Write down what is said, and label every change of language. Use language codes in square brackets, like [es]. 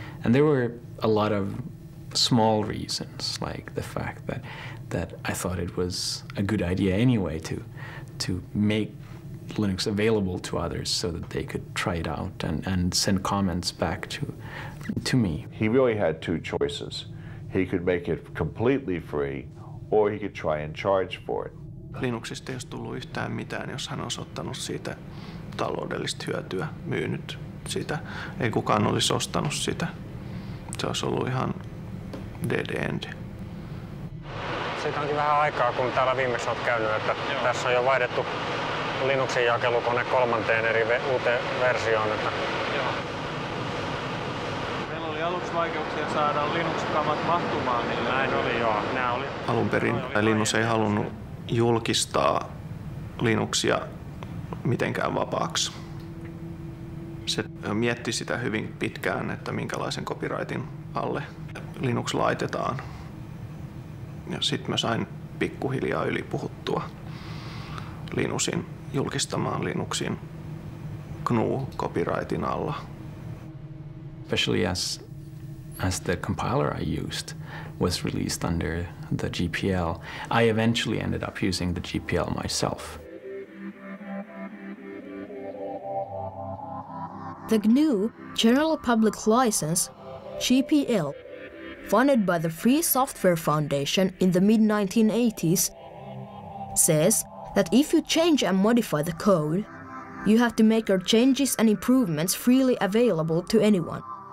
[en] And there were a lot of small reasons, like the fact that I thought it was a good idea anyway to make Linux available to others so that they could try it out and send comments back to me. He really had two choices. He could make it completely free, or he could try and charge for it. [fi] Linuxista ei olisi tullut yhtään mitään, jos hän olisi ottanut siitä taloudellista hyötyä, myynyt sitä. Ei kukaan olisi ostanut sitä. Se olisi ollut ihan [en] dead end. [fi] Siitä onkin vähän aikaa, kun täällä viimeksi olet käynyt, että joo. Tässä on jo vaihdettu Linuxin jakelukone kolmanteen eri uuteen versioon. Että joo. Meillä oli aluksi vaikeuksia saada Linux-kamat mahtumaan. Niin näin oli, joo. Alun perin Linus ei halunnut julkistaa Linuxia mitenkään vapaaksi. Se mietti sitä hyvin pitkään, että minkälaisen copyrightin alle Linux laitetaan. Ja sitten mä sain pikkuhiljaa yli puhuttua Linusin julkistamaan Linuxin GNU-copyrightin alla. [en] Especially as the compiler I used was released under the GPL, I eventually ended up using the GPL myself. The GNU General Public License, GPL, funded by the Free Software Foundation in the mid-1980s, says that if you change and modify the code, you have to make your changes and improvements freely available to anyone.